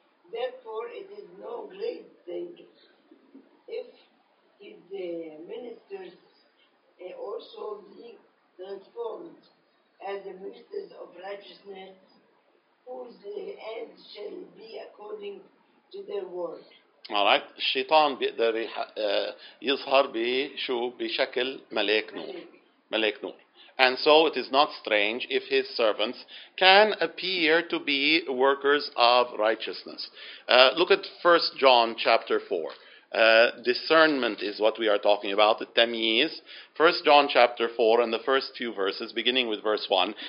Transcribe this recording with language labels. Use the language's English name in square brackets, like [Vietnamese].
[English] Therefore, it is no great thing if his ministers also be transformed as the ministers of righteousness, whose end shall be according to their work. [Arabic] Alright, الشيطان بيقدر يظهر بشو بشكل ملاك نور. ملاك نور. [English] And so it is not strange if his servants can appear to be workers of righteousness. Look at 1 John chapter 4. Discernment is what we are talking about, the temyiz. 1 John chapter 4 and the first two verses, beginning with verse 1.